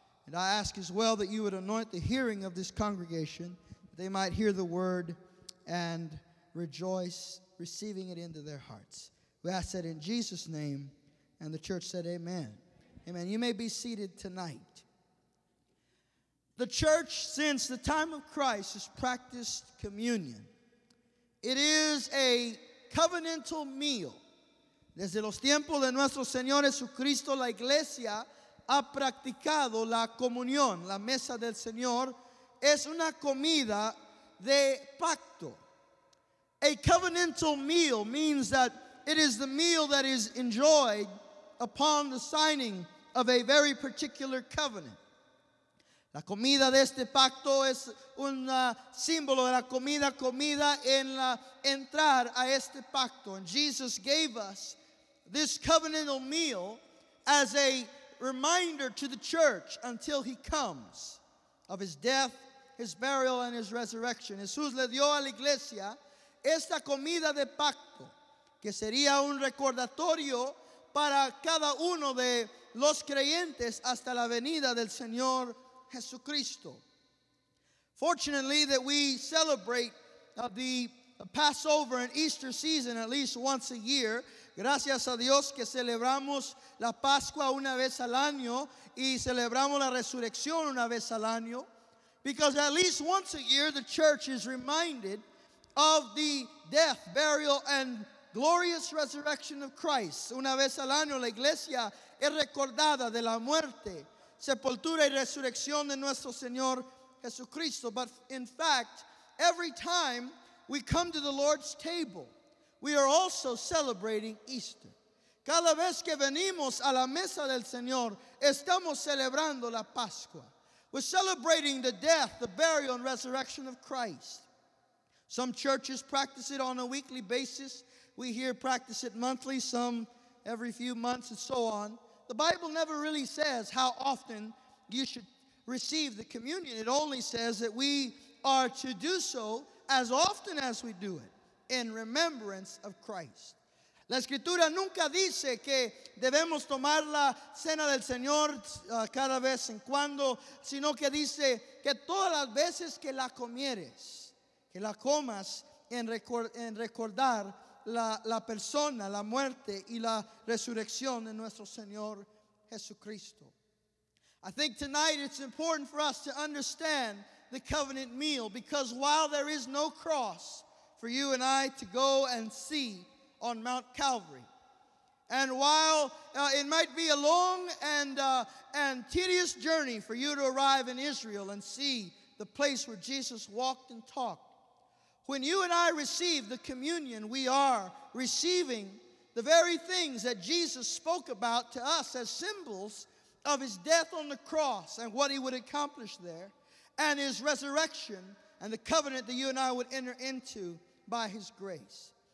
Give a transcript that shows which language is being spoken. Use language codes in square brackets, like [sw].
[en] And I ask as well that you would anoint the hearing of this congregation, that they might hear the Word and rejoice receiving it into their hearts. We ask that in Jesus' name, and the church said amen. Amen. You may be seated tonight. The church, since the time of Christ, has practiced communion. It is a covenantal meal. [es] Desde los tiempos de nuestro Señor Jesucristo, la iglesia ha practicado la comunión. La mesa del Señor es una comida de pacto. [en] A covenantal meal means that it is the meal that is enjoyed upon the signing of a very particular covenant. [es] La comida de este pacto es un símbolo de la comida en la entrar a este pacto. [en] And Jesus gave us this covenantal meal as a reminder to the church until he comes of his death, his burial, and his resurrection. [es] Jesús le dio a la iglesia esta comida de pacto que sería un recordatorio para cada uno de los creyentes hasta la venida del Señor Jesucristo. [en] Fortunately that we celebrate the Passover and Easter season at least once a year. [es] Gracias a Dios que celebramos la Pascua una vez al año y celebramos la resurrección una vez al año. [en] Because at least once a year the church is reminded of the death, burial, and glorious resurrection of Christ. [es] Una vez al año la iglesia es recordada de la muerte, sepultura y resurrección de nuestro Señor Jesucristo. [en] But in fact, every time we come to the Lord's table, we are also celebrating Easter. [es] Cada vez que venimos a la mesa del Señor, estamos celebrando la Pascua. [en] We're celebrating the death, the burial, and resurrection of Christ. Some churches practice it on a weekly basis. We here practice it monthly, some every few months and so on. The Bible never really says how often you should receive the communion. It only says that we are to do so as often as we do it, in remembrance of Christ. [es] La Escritura nunca dice que debemos tomar la cena del Señor cada vez en cuando, sino que dice que todas las veces que la comieres, que la comas en recordar la persona, la muerte y la resurrección de nuestro Señor Jesucristo. [en] I think tonight it's important for us to understand the covenant meal, because while there is no cross for you and I to go and see on Mount Calvary, and while it might be a long and tedious journey for you to arrive in Israel and see the place where Jesus walked and talked, when you and I receive the communion, we are receiving the very things that Jesus spoke about to us as symbols of his death on the cross and what he would accomplish there, and his resurrection and the covenant that you and I would enter into by his grace.